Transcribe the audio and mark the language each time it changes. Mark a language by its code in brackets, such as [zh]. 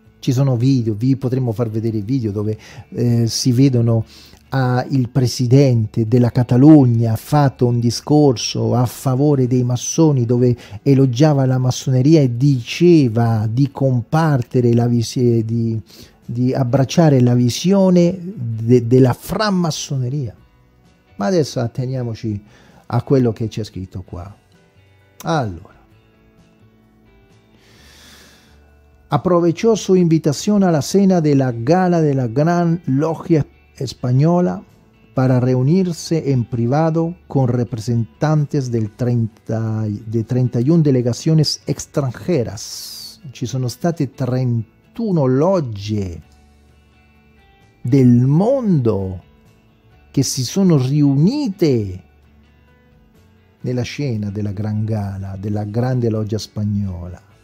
[it] Ci sono video, vi potremmo far vedere video dove si vedono il presidente della Catalogna ha fatto un discorso a favore dei massoni dove elogiava la massoneria e diceva di compartere la visione, di abbracciare la visione della framassoneria. Ma adesso atteniamoci a quello che c'è scritto qua. Allora, [es] aprovechó su invitación a la cena de la gala de la Gran Logia Española para reunirse en privado con representantes del 31 delegaciones extranjeras. [it] Ci sono state 31 logge del mondo che si sono riunite nella scena della Gran Gala, della Grande Loggia Spagnola.